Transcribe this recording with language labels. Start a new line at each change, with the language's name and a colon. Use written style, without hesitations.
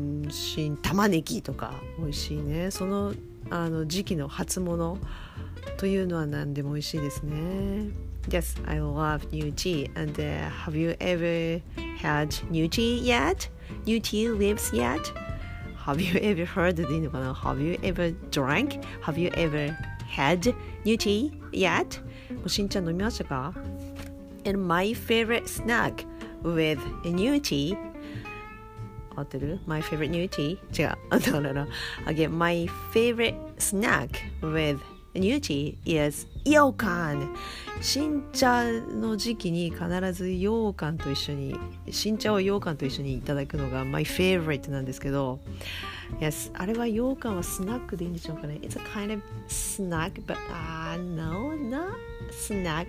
Japanese: 新玉ねぎとか美味しいね。その時期の初物というのは何でも美味しいですね。
English: Yes, I love new tea. And have you ever had new tea yet? New tea leaves yet? Have you ever heard
Japanese: でいいのかな?
English: Have you ever drank? Have you ever had new tea yet?
Japanese: 新茶飲みましたか?
English: And my favorite snack with new tea.
Japanese: 合ってる?
English: My favorite new tea.
Japanese: 違う。
English: No, no, no. Again, my favorite snack with new tea is ようかん.
Japanese: 新茶の時期に必ずようかんと一緒に、新茶をようかんと一緒にいただくのが
English: my favorite
Japanese: なんですけど、 Yes, あれはようかんはスナックでいいんでしょうかね。
English: It's a kind of snack, but no, not snack.